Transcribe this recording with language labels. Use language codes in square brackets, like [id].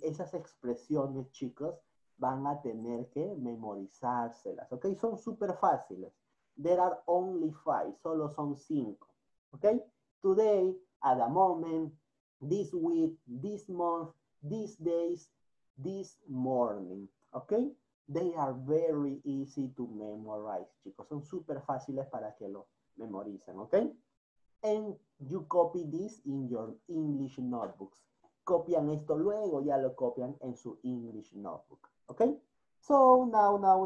[es] Esas expresiones, chicos, van a tener que memorizárselas, okay? Son súper fáciles. [en] There are only 5, [es] solo son 5, okay? [en] Today, at the moment, this week, this month, these days, this morning, okay? They are very easy to memorize, chicos. [es] Son súper fáciles para que lo memoricen, ¿ok? [en] And you copy this in your English notebooks. [es] Copian esto luego, ya lo copian en su English notebook, ¿ok? [en] So, now,